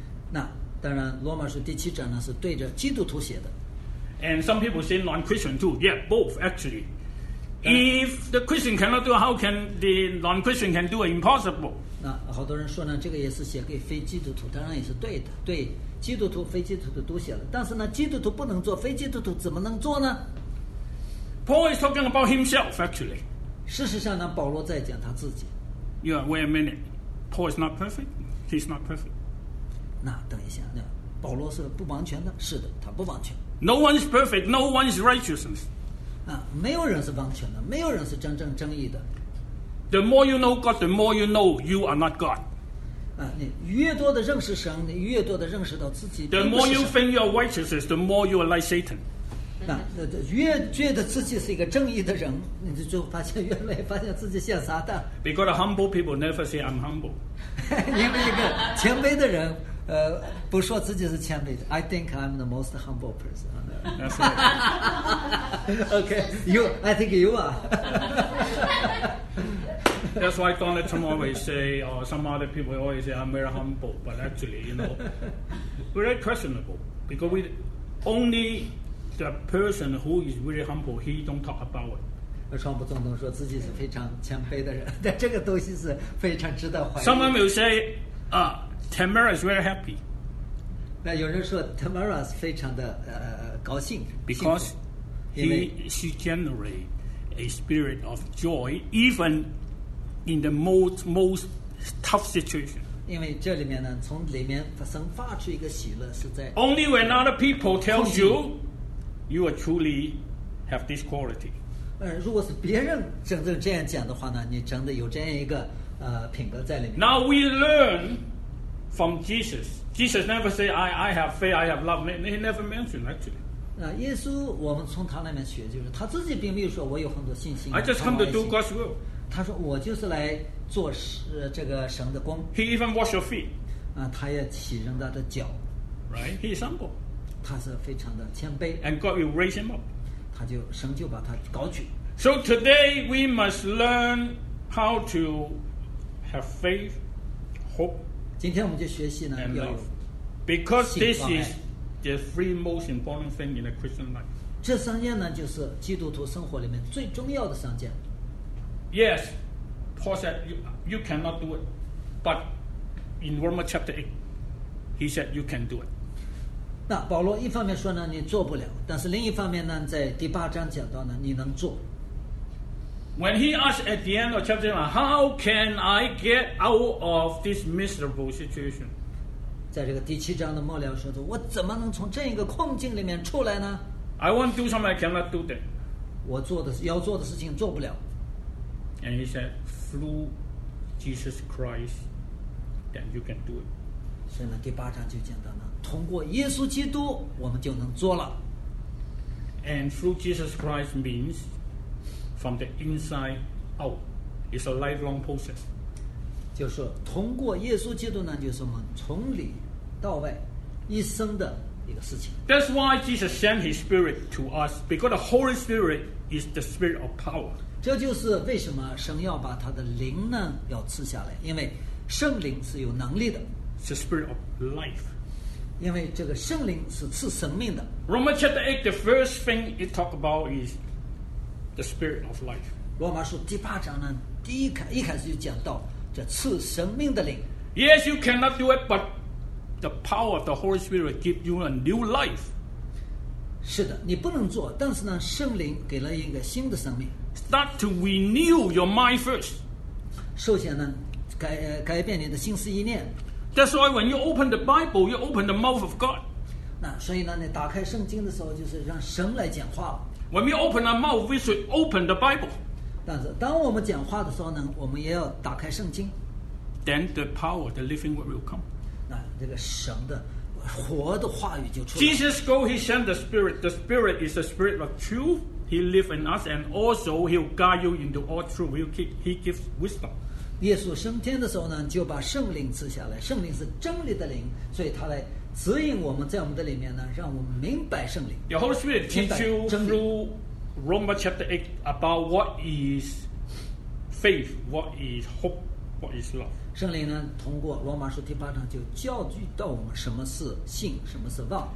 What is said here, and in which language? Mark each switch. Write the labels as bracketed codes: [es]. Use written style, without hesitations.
[zh] 那当然，罗马书第七章呢是对着基督徒写的。 [en] And some people say non-Christian too. Yeah, both actually. If the Christian cannot do, how can the non-Christian can do it? Impossible. [zh] 那好多人说呢，这个也是写给非基督徒，当然也是对的。对基督徒、非基督徒都写了，但是呢，基督徒不能做，非基督徒怎么能做呢 [en] ？Paul is talking about himself, actually. [zh] 事实上呢，保罗在讲他自己。 [en] Yeah, wait a minute. Paul is not perfect. He's not perfect. [zh] 那等一下，那保罗是不完全的。是的，他不完全。 [en] No one is perfect. No one is righteousness. [zh] 没有人是完全的，没有人是真正正义的。 [en] The more you know God, the more you know you are not God. [zh] 你越多的认识神，你越多的认识到自己。 [en] The more you think you are righteous, the more you are like Satan. [zh] 越觉得自己是一个正义的人，你就发现越来越发现自己像撒旦。 [en] Because humble people never say I'm humble. [zh] 因为一个谦卑的人。不说自己是谦卑的 [en] I think I'm the most humble person on earth. Okay, I think you are. That's why Donald Trump always say, or some other people always say, I'm very humble. But actually, you know, very questionable. Because only the person who is really humble, he don't talk about it. [zh] 川普总统说自己是非常谦卑的人，但这个东西是非常值得怀疑。 [en] Someone will say, Tamara is very happy. [zh] 那有人说 Tamara 是非常的高兴 [en] ，because she generate a spirit of joy even in the most tough situation. [zh] 因为这里面呢，从里面生发出一个喜乐，是在 [en] only when other people tell you are truly have this quality. [zh] 如果是别人真正这样讲的话呢，你真的有这样一个品格在里面。 [en] Now we learn from Jesus. Jesus never say I have faith, I have love. He never mentioned actually. [zh] 耶稣，我们从他那边学，就是他自己并没有说我有很多信心。 [en] I just come to do God's will. [zh] 他说我就是来做这个神的工。 [en] He even wash your feet. [zh] 他也洗人家的脚。 [en] Right? He is humble. [zh] 他是非常的谦卑。 [en] And God will raise him up. [zh] 神就把他高举。 [en] So today we must learn how to have faith, hope. [zh] 今天我们就学习呢，要有 [en] Because this is the three most important things in a Christian life. [zh] 这三件呢，就是基督徒生活里面最重要的三件。 [en] Yes, Paul said you cannot do it, but in Romans chapter 8, he said you can do it. [zh] 那保罗一方面说呢，你做不了，但是另一方面呢，在第八章讲到呢，你能做。 [en] When he asked at the end of chapter 1, how can I get out of this miserable situation? [zh] 在这个第七章的末了说的，我怎么能从这一个困境里面出来呢？ [en] I want to do something, I cannot do that. [zh] 我做的要做的事情做不了。 [en] And he said, through Jesus Christ, then you can do it. [zh] 所以呢，第八章就讲到呢，通过耶稣基督我们就能做了。 [en] And through Jesus Christ means from the inside out. It's a lifelong process. [zh] 就是通过耶稣基督呢，就是我们从里到外一生的一个事情。 [en] That's why Jesus sent his spirit to us, because the Holy Spirit is the spirit of power. [zh] 这就是为什么神要把他的灵呢要赐下来，因为圣灵是有能力的。 [en] It's the spirit of life. [zh] 因为这个圣灵是赐生命的。 [en] Romans chapter 8, the first thing it talk about is the spirit of life. [zh] 罗马书第八章呢，一开始就讲到这赐生命的灵。 [en] Yes, you cannot do it, but the power of the Holy Spirit will give you a new life. [zh] 是的，你不能做，但是呢，圣灵给了一个新的生命。 [en] Start to renew your mind first. [zh] 首先呢，改变你的心思意念。 [en] That's why when you open the Bible, you open the mouth of God. [zh] 那所以呢，你打开圣经的时候，就是让神来讲话。 [en] When we open our mouth, we should open the Bible. [zh] 但是当我们讲话的时候呢，我们也要打开圣经。 [en] Then the power, the living word will come. [zh] 那这个神的活的话语就出来。 [en] Jesus go, he sent the Spirit. The Spirit is the Spirit of truth. He lives in us, and also he'll guide you into all truth. He gives wisdom. [zh] 耶稣升天的时候呢，就把圣灵赐下来。圣灵是真理的灵，所以他来指引我们，在我们的里面呢，让我们明白圣灵。 [en] The Holy Spirit teach you through Romans chapter 8 about what is faith, what is hope, what is love. [zh] 圣灵呢，通过罗马书第八章就教育到我们什么是信，什么是望。